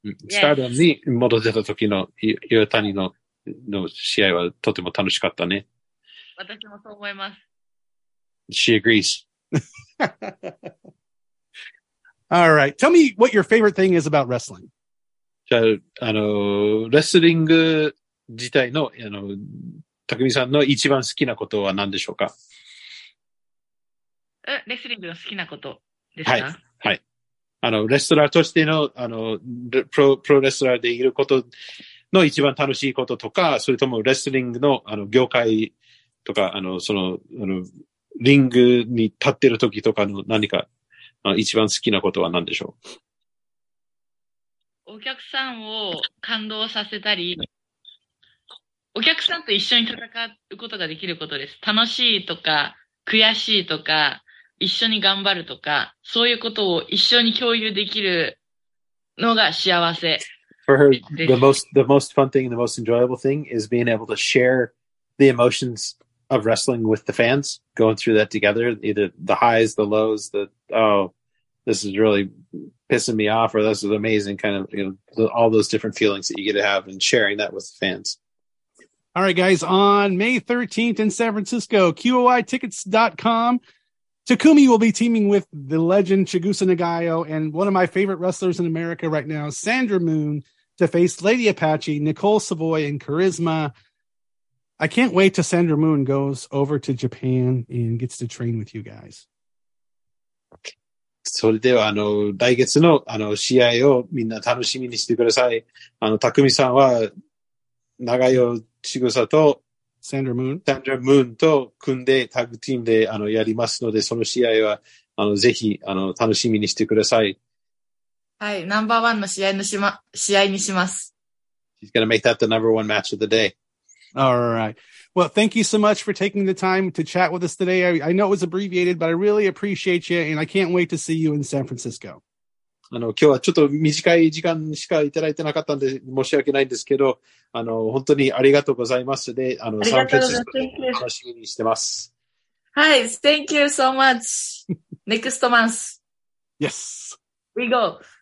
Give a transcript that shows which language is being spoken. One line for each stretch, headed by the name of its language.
Japanese: Stardom に戻ってた時の Iroha の試合はとても楽しかったね。私もそう思います。
English: She agrees. All right. Tell me what your favorite thing is about wrestling.
Japanese: じゃあ、レスリング自体の、たくみさんの一番好きなことは何でしょうか? レスリングの好きなことですか? はい。はい。レストラーとしての、プロレスラーでいることの一番楽しいこととか、それともレスリングの、業界とか、リングに立ってる時とかの何か、一番好きなことは何でしょう? お客さんを感動させたり、お客さんと一緒に戦うことができることです。楽しいとか、悔しいとか、一緒に頑張るとか、そういうことを一緒に共有できるのが幸せ。
English: For her, the most fun thing, the most enjoyable thing is being able to share the emotions of wrestling with the fans, going through that together, either the highs, the lows, this is really pissing me off, or this is amazing, kind of, all those different feelings that you get to have and sharing that with the fans. All right, guys, on May 13th in San Francisco, QOITickets.com, Takumi will be teaming with the legend Chigusa Nagayo and one of my favorite wrestlers in America right now, Sandra Moon, to face Lady Apache, Nicole Savoy, and Charisma. I can't wait till Sandra Moon goes over to Japan and gets to train with you guys.
Japanese: それでは来月の試合をみんな楽しみにしてください。たくみさんは長代ちぐさとサンドラムーンと組んでタッグチームでやりますので、その試合はぜひ楽しみにしてください。はい、ナンバーワンの試合にします。
English: she's going to make that the number one match of the day. All right. Well, thank you so much for taking the time to chat with us today. I know it was abbreviated, but I really appreciate you, and I can't wait to see you in San Francisco.
Japanese: あの、今日はちょっと短い時間しかいただいてなかったんで申し訳ないんですけど、あの、本当にありがとうございます。で、あの、サンフレッチェ楽しみにしてます。はい、
English: thank you so much. Next month. Yes. We go.